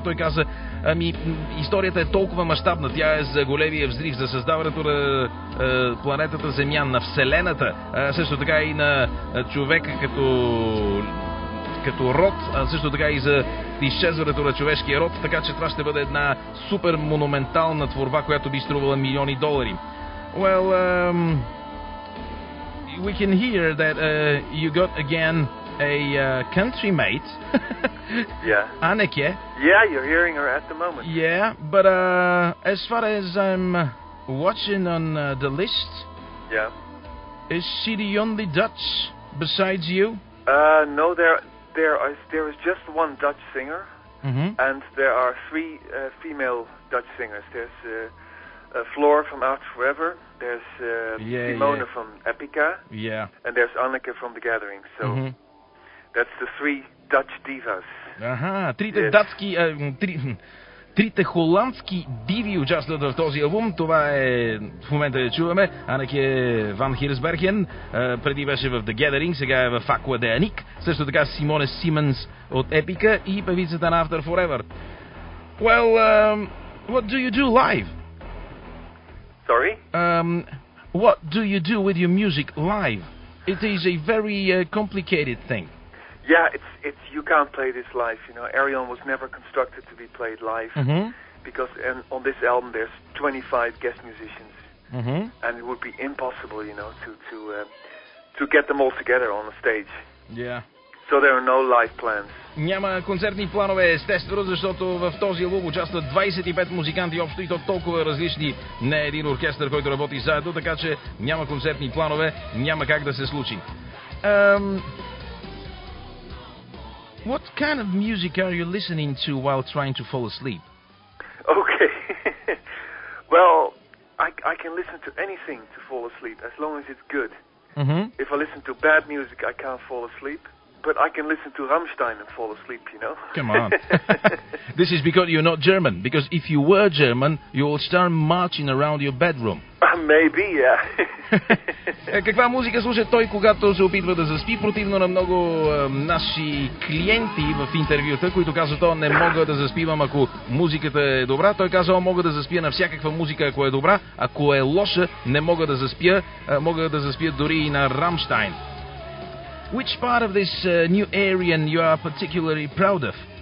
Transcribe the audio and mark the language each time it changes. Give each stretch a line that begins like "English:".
Bulgarian: Той каза, ами, историята е толкова мащабна, тя е за големия взрив, за създаването на планетата Земя, на Вселената, също така и на човека като род, а също така и за изчезването на човешкия род, така че това ще бъде една супер монументална творба, която би струвала милиони долари.
English: Well, we can hear that you got again a country mate. Yeah. Anneke. Yeah, you're hearing her at the moment. Yeah, but as far as I'm watching on the list, yeah, is she the only Dutch besides you? No, there is just one Dutch singer, and there are three female Dutch singers. There's Floor from After Forever, there's Simone from Epica, and there's Anneke from The Gathering. So that's the three Dutch divas.
Bulgarian: Aha, трите датски, трите холандски диви участват в този албум. Това е в момента да чуваме. Анеке Ван Хирсберген, преди беше в The Gathering, сега е в Aqua De Anik. Също така Симоне Симънс от Epica и певицата на After Forever.
English: Well, what do you do live? Sorry? What do you do with your music live? It is a very complicated thing. Yeah, it's you can't play this live, you know. Arion was never constructed to be played live because on this album there's 25 guest musicians. And it would be impossible, you know, to get them all together on a stage. Yeah. So there are no live plans.
Bulgarian: Няма концертни планове, естествено, защото в този албум участват 25 музиканти общо и то толкова различни. Не един оркестър, който работи заедно, така че няма концертни планове, няма как да се случи.
English: What kind of music are you listening to while trying to fall asleep? Okay. Well, I can listen to anything to fall asleep, as long as it's good. If I listen to bad music, I can't fall asleep. but I can listen to Rammstein and fall asleep, you know. Come on. This is because you're not German, because if you were German, you'll start marching around your bedroom. Maybe, yeah.
Bulgarian: Каква музика слуша той, когато се опитва да заспи, противно на много наши клиенти в интервюта, които казват, о, не мога да заспивам, ако музиката е добра. Той каза, о, мога да заспия на всякаква музика, ако е добра, ако е лоша, не мога да заспия, мога да заспия дори и на Rammstein.
English: Which part of this new Aryan you are particularly proud of?